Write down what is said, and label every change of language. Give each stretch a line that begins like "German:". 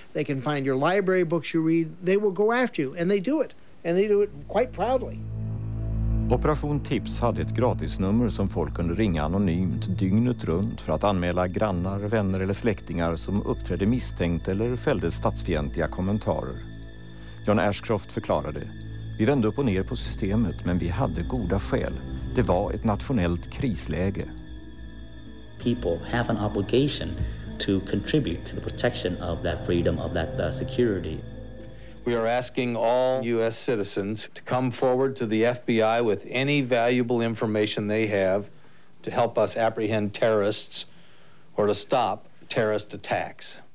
English: They can find your library books you read. They will go after you, and they do it. And they do it quite proudly.
Swedish: Operation Tips hade ett gratisnummer som folk kunde ringa anonymt dygnet runt för att anmäla grannar, vänner eller släktingar som uppträdde misstänkt eller fällde statsfientliga kommentarer. John Ashcroft förklarade: vi vände upp och ner på systemet, men vi hade goda skäl. Det var ett nationellt krisläge.
English: People have an obligation to contribute to the protection of that freedom, of that security. We are asking all U.S. citizens to come forward to the FBI with any valuable information they have to help us apprehend terrorists or to stop terrorist attacks.